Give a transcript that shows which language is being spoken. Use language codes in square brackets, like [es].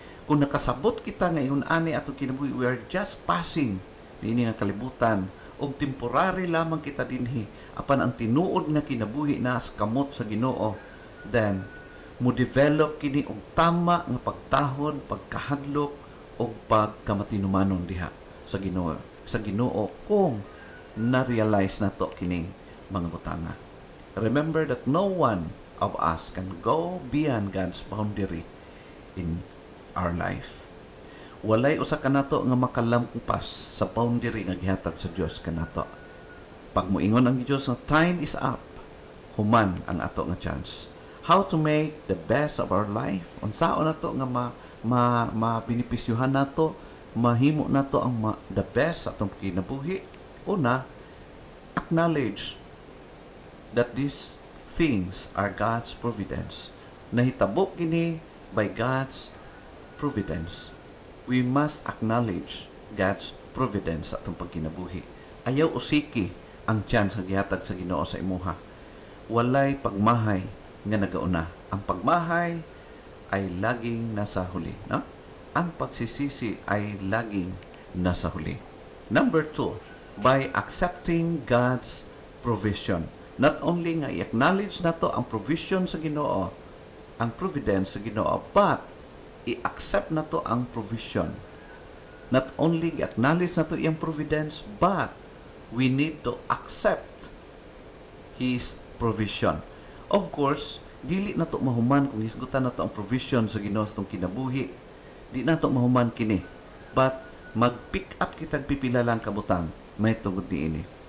[ceb] Kung nakasabot kita ngayon ani atong kinabuhi, [en] we are just passing [ceb] niini nga kalibutan o temporary lamang kita dinhi apan ang tinuod na kinabuhi na as kamot sa Ginoo, then mo develop kini og tama nga pagtahon, pagkahadlok o pagkamatinumanon diha sa Ginoo. Sa Ginoo kung na-realize na to kining mga butanga. [en] Remember that no one of us can go beyond God's boundary in our life. [ceb] Walay usa ka nato nga makalampas sa boundary nga gihatag sa Dios kanato. Pag moingon ang Dios nga [en] time is up, [ceb] human ang ato nga chance. [en] How to make the best of our life? [ceb] Unsao nato nga mabinipisyuhan nato, mahimo nato ang the best atong kinabuhi? [en] Una, acknowledge that these things are God's providence. Nahitabo kini by God's providence. We must acknowledge God's providence [ceb] sa itong pagkinabuhi. Ayaw usiki ang chance na gihatag sa Ginoo sa imuha. Walay pagmahay nga nagauna. [tl] Ang pagmahay ay laging nasa huli. No? Ang pagsisisi ay laging nasa huli. [en] Number two, by accepting God's provision. [ceb] Not only nga i-acknowledge na to ang provision sa Ginoo, ang providence sa Ginoo, but i-accept na to ang provision. [en] Not only i-acknowledge na to iyang providence, but we need to accept His provision. [ceb] Of course, dili na to mahuman kung isgutan na to ang provision sa Ginoo sa itong kinabuhi. Di na to mahuman kini. But mag-pick up kitang pipila lang kabutang, may tungod ni ini.